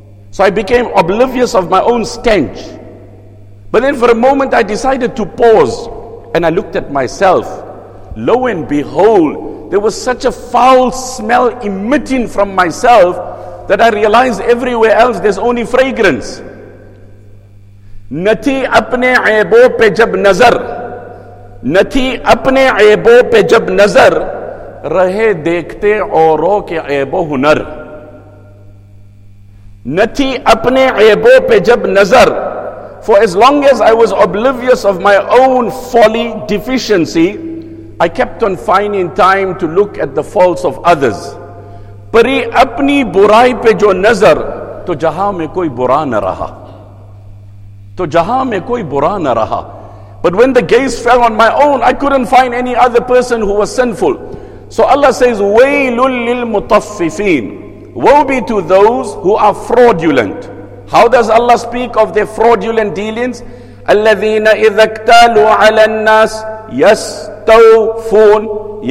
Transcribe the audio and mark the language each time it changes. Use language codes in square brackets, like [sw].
[en] So I became oblivious of my own stench. But then for a moment I decided to pause and I looked at myself. Lo and behold, there was such a foul smell emitting from myself that I realized everywhere else there's only fragrance. [ur] نتی اپنے عیبوں پہ جب نظر نتی اپنے عیبوں پہ جب نظر رہے دیکھتے اوروں کے عیب و ہنر نتی اپنے عیبوں پہ جب نظر. [en] For as long as I was oblivious of my own folly, deficiency, I kept on finding time to look at the faults of others. [ur] پری اپنی برائی پہ جو نظر تو جہاں میں کوئی برا نہ رہا تو جہاں میں کوئی برا نہ رہا. [en] But when the gaze fell on my own, I couldn't find any other person who was sinful. So Allah says, [ar] وَيْلٌ لِلْمُطَفِّفِينَ. [en] Woe be to those who are fraudulent. How does Allah speak of their fraudulent dealings? [ar] الذين إذا اكتالوا على الناس يستوفون.